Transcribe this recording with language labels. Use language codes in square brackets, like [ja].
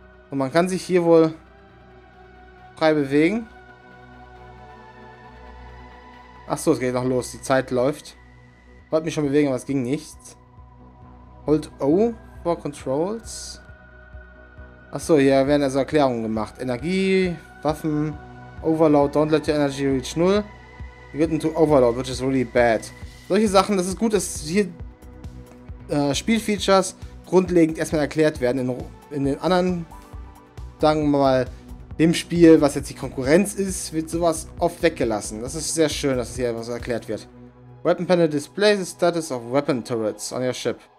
[de] Und man kann sich hier wohl frei bewegen. Achso, es geht noch los. Die Zeit läuft. Wollte mich schon bewegen, aber es ging nicht. [en] Hold O for Controls. [de] Achso, hier werden also Erklärungen gemacht. Energie, Waffen, [en] Overload, don't let your energy reach null. You get into Overload, which is really bad. [de] Solche Sachen, das ist gut, dass hier Spielfeatures grundlegend erstmal erklärt werden. In den anderen, sagen wir mal, dem Spiel, was jetzt die Konkurrenz ist, wird sowas oft weggelassen. Das ist sehr schön, dass es hier etwas erklärt wird. [en] Weapon Panel displays the status of weapon turrets on your ship.